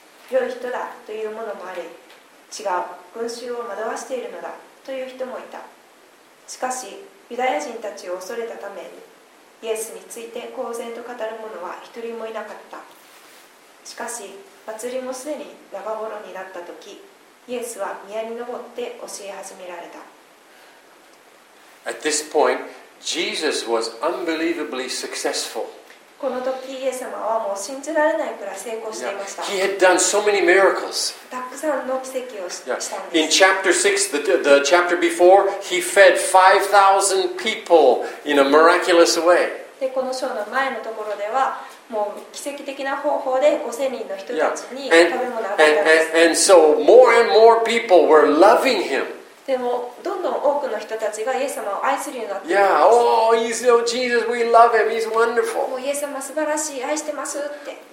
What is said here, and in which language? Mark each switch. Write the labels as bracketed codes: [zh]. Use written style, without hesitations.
[ja] 良い人だというものもあり、違う、群衆を惑わしているのだという人もいた。しかしユダヤ人たちを恐れたためにイエスについて公然と語る者は一人もいなかった。しかし祭りもすでに長頃になった時、イエスは宮に登って教え始められた。 [en] At this point, Jesus was unbelievably successful. [ja] この時イエス様はもう信じられないくらい成功していました。 [en] He had done so many miracles. [ja] たくさんの奇跡をしたんです。 [en] In chapter 6, the chapter before, he fed 5,000 people in a miraculous way. [ja] でこの章の前のところでは、もう奇跡的な方法で5000人の人たちに食べ物を与えたんです。 [en] And so more and more people were loving him. [ja] でもどんどん多くの人たちがイエス様を愛するようになっています [en] Yeah, oh, he's, oh, Jesus, we love him, he's wonderful. [ja] もうイエス様素晴らしい、愛してますって。